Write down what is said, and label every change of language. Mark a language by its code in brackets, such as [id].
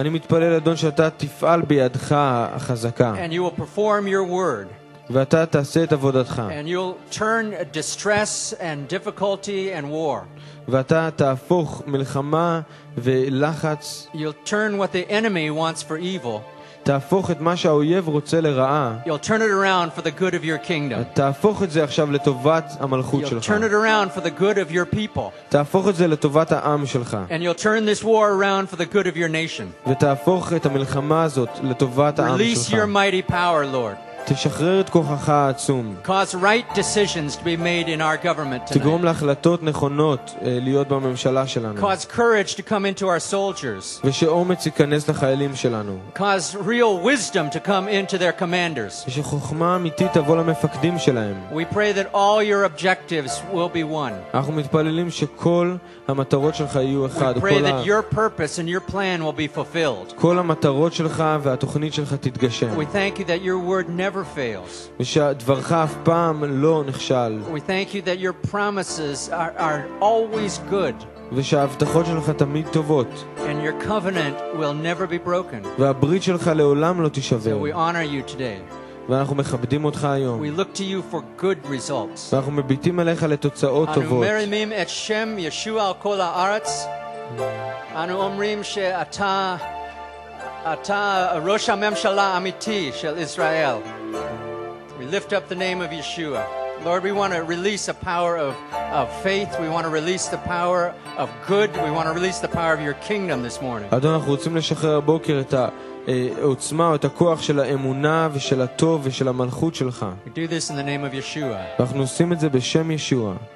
[he] אני מתפלל אדון שאתה תפעל בידך החזקה. [en] And you will perform your word. [he] ואתה תעשה את עבודתך. [en] And you'll turn distress and difficulty and war. [he] ואתה תהפוך מלחמה ולחץ. [en] You'll turn what the enemy wants for evil. [he] תהפוך את מה שהאויב רוצה לרעה. [en] You'll turn it around for the good of your kingdom. [he] תהפוך את זה עכשיו לטובת המלכות שלך. [en] You'll turn it around for the good of your people. [he] תהפוך את זה לטובת העם שלך. [en] And you'll turn this war around for the good of your nation. [he] ותהפוך את המלחמה הזאת לטובת העם שלך. [en] Release your mighty power, Lord. [he] תשחרר את כוחך העצום. [en] Cause right decisions to be made in our government tonight. [he] תגרום להחלטות נכונות להיות בממשלה שלנו. [en] Cause courage to come into our soldiers. [he] ושאומץ ייכנס לחיילים שלנו. [en] Cause real wisdom to come into their commanders. [he] ושחוכמה אמיתית תבוא למפקדים שלהם. [en] We pray that all your objectives will be one. [he] אנחנו מתפללים שכל המטרות שלך יהיו אחד. [en] We pray that your purpose and your plan will be fulfilled. [he] כל המטרות שלך והתוכנית שלך תתגשם. [en] We thank you that your word never fails. [he] ושדברך אף פעם לא נכשל. [en] We thank you that your promises are always good. [he] ושההבטחות שלך תמיד טובות. [en] And your covenant will never be broken. [he] והברית שלך לעולם לא תישבר. [en] So we honor you today. [he] ואנחנו מכבדים אותך היום. [en] We look to you for good results. [he] ואנחנו מביטים עליך לתוצאות טובות. אנו מרימים את שם ישוע על כל הארץ. אנו אומרים שאתה ראש הממשלה האמיתי של ישראל. [en] We lift up the name of Yeshua. Lord, we want to release a power of faith. We want to release the power of good. We want to release the power of your kingdom this morning. [he] אדון, אנחנו רוצים לשחרר הבוקר את העוצמה, את הכוח של האמונה ושל הטוב ושל המלכות שלך. [en] We do this in the name of Yeshua. [he] אנחנו עושים את זה בשם ישוע.